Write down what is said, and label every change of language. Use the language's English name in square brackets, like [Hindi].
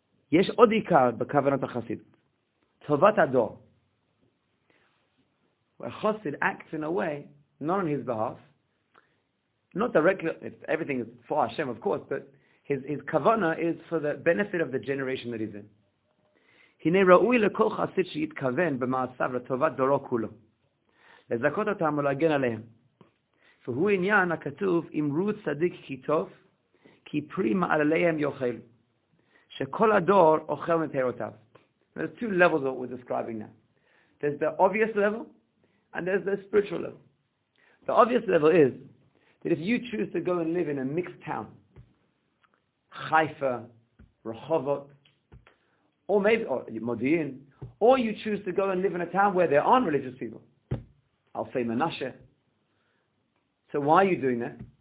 [Hebrew] Yesh od ikar b'kavanat ha-chassid. Tovat ador. [English] Where chassid acts in a way, not on his behalf, not directly, everything is for Hashem, of course, but his kavana is for the benefit of the generation that he's in. [Hebrew] הנה ראוי לכל חסיד שיתכוון במעשיו לטובת דורו כולו, לזכות אותם ולהגן עליהם. והוא עניין הכתוב, אמרו צדיק כי טוב, כי פרי מעלליהם יאכל, שכל הדור אוכל מפירותיו. [English] There's two levels of what we're describing now. There's the obvious level, and there's the spiritual level. The obvious level is that if you choose to go and live in a mixed town, Haifa, Rehovot, or maybe, or Modi'in, or you choose to go and live in a town where there aren't religious people, I'll say Menashe. So why are you doing that?